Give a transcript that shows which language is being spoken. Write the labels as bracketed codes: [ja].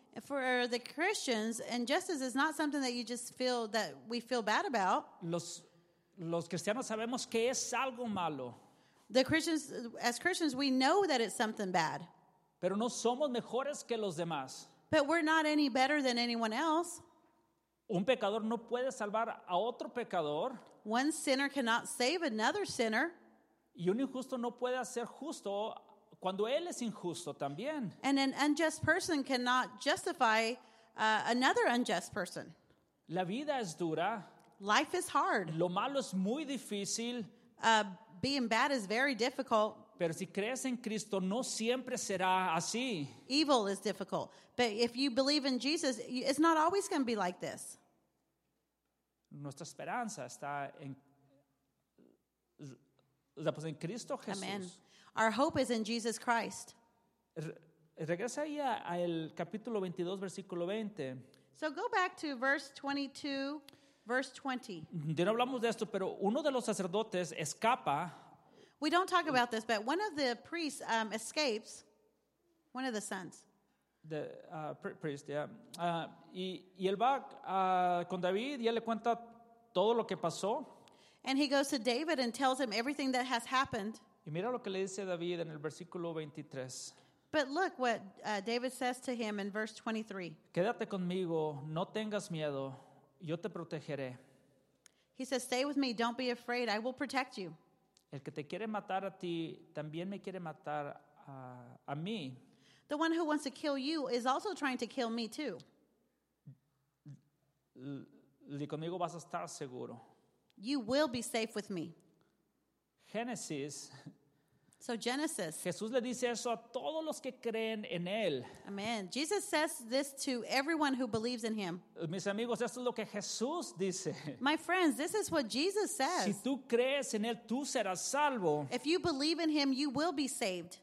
[en] For the Christians, injustice is not something that you just feel that we feel bad about. [es] Los cristianos sabemos que es algo malo. [en] The Christians, as Christians, we know that it's something bad. [es] Pero no somos mejores que los demás. [en] But we're not any better than anyone else. [es] Un pecador no puede salvar a otro pecador. [en] One sinner cannot save another sinner. [es] Y un injusto no puede ser justo cuando él es injusto también. [en] And an unjust person cannot justify another unjust person. [es] La vida es dura. [en] Life is hard. [es] Lo malo es muy difícil. [en] Being bad is very difficult. [es] Pero si crees en Cristo, no siempre será así. [en] Evil is difficult. But if you believe in Jesus, it's not always going to be like this. [es] Nuestra esperanza está en Cristo Jesús. [en] Amen. Our hope is in Jesus Christ. [es] Regresa ahí al capítulo 22, versículo 20. [en] So go back to verse 22, verse 20. [es] Ya no hablamos de esto, pero uno de los sacerdotes escapa. [en] We don't talk about this, but one of the priests escapes, one of the sons. The priest, yeah. [es] Y él va con David y él le cuenta todo lo que pasó. [en] And he goes to David and tells him everything that has happened. [es] Y mira lo que le dice David en el versículo 23. [en] But look what David says to him in verse 23. [es] Quédate conmigo, no tengas miedo, yo te protegeré. [en] He says, stay with me, don't be afraid, I will protect you. [es] El que te quiere matar a ti, también me quiere matar a mí. [en] The one who wants to kill you is also trying to kill me too. [es] Y conmigo vas a estar seguro. [en] You will be safe with me. Genesis. So Genesis. [es] Jesús le dice eso a todos los que creen en él. [en] Amen. Jesus says this to everyone who believes in him. [es] Mis amigos, esto es lo que Jesús dice. [en] My friends, this is what Jesus says. [es] Si tú crees en él, tú serás salvo. [en] If you believe in him, you will be saved.